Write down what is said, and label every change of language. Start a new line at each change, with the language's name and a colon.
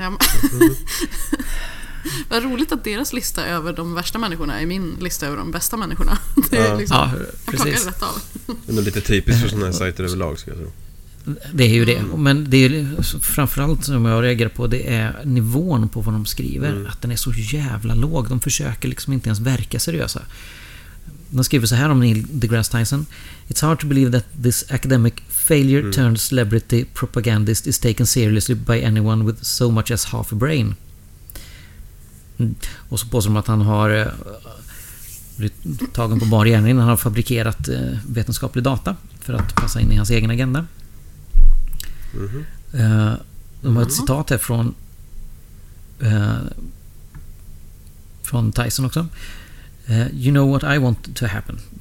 Swedish: Ja, vad roligt att deras lista över de värsta människorna är min lista över de bästa människorna. Ja, det är liksom, ja, precis. Det är nog lite typiskt för sådana här sajter överlag, ska jag tro. det är ju det. Men det är framförallt som jag reagerar på, det är nivån på vad de skriver. Mm. Att den är så jävla låg. De försöker liksom inte ens verka seriösa. De skriver så här om Neil deGrasse Tyson:
English: "It's hard to believe that this academic failure turned celebrity propagandist is taken seriously by anyone with so much as half a brain."
Swedish: Och så påstår de att han har blivit tagen på bar gärning när han har fabrikerat vetenskaplig data för att passa in i hans egen agenda. De har ett citat här från från Tyson också:
English: "You know what I want to happen.